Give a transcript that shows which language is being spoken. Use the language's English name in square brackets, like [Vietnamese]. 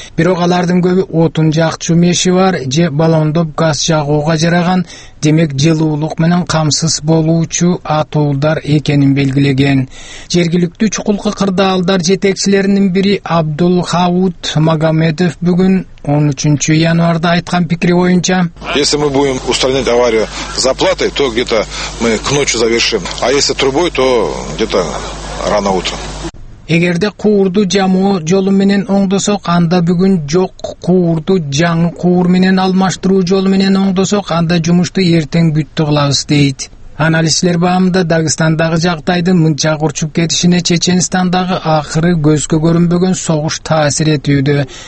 [Kyrgyz] Бирок алардын көбү отун жакчу меши бар же баллондоп газ жагууга жараган, демек жылуулук менен камсыз болуучу атуулдар экенин белгилеген. Жергиликтүү чукулку кырдаалдар жетекчилеринин бири Абдул Хауд Магомедов бүгүн 13-январда айткан пикири боюнча: [Russian] если мы будем устранять аварию заплатой, то где-то мы к ночи завершим, а если трубой, то где-то рано утром. [Kyrgyz] Эгерде куурду жамоо жолу менен оңдосок, анда бүгүн жок. Куурду жаңы куур менен алмаштыруу жолу менен оңдосок, анда жумушту эртең бүттү кылабыз дейт. Аналистер баамында Дагыстандагы жагдайдын мынчага урчуп кетишине Чеченстандагы акыры көзгө көрүнбөгөн согуш таасир этүүдө.